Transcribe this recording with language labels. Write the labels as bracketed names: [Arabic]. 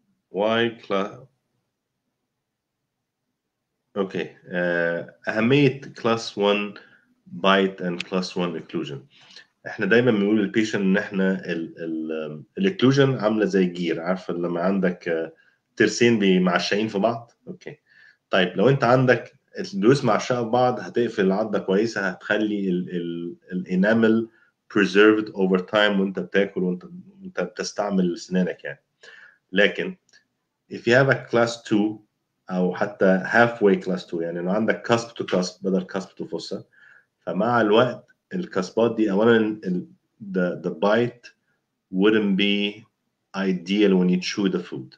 [English] Why class? Okay, [Arabic] أهمية [English] class 1 bite and class 1 occlusion. [Arabic] احنا دايما بنقول للبيشنت ان احنا الاكلوجن عامله زي جير، عارفه لما عندك ترسين بمعشقين في بعض. اوكي طيب، لو انت عندك الدوس معشقه في بعض هتقفل العضه كويسه، هتخلي الانامل بريزيرفد اوفر تايم وانت بتاكل وانت بتستعمل سنانك يعني. لكن [English] if you have a class 2 [Arabic] او حتى [English] halfway class 2، [Arabic] يعني لو عندك [English] cusp to cusp [Arabic] بدل [English] cusp to fossa، [Arabic] فمع الوقت الكسبات دي اولا [English] the bite wouldn't be ideal when you chew the food.